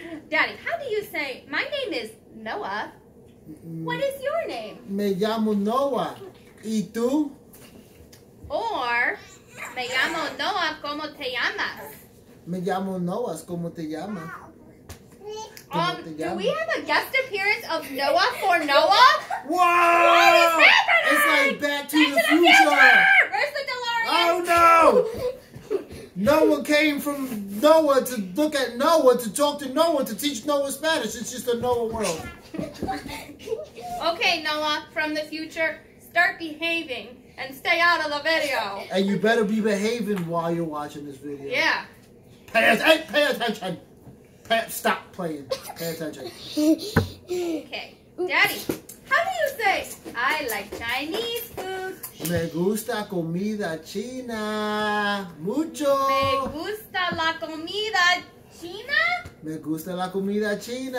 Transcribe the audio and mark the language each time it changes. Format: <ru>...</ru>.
<en>Daddy, how do you say, my name is Noah? What is your name?</en> <es>Me llamo Noah. ¿Y tú? Or, me llamo Noah, ¿cómo te llamas? Me llamo Noah, ¿cómo te llamas?</es> <en>Do we have a guest appearance of Noah for Noah? Wow! What is happening? It's like Back to back the Future! The Where's the DeLorean? Oh, no! Noah came from Noah to look at Noah, to talk to Noah, to teach Noah Spanish. It's just a Noah world. Okay, Noah, from the future, start behaving and stay out of the video. And you better be behaving while you're watching this video. Yeah. Pay attention. Stop playing. Pay attention. Okay. Daddy, how do you say, I like Chinese food?</en> <es>Me gusta comida china. Mucho. Me gusta la comida china. Me gusta la comida china.</es>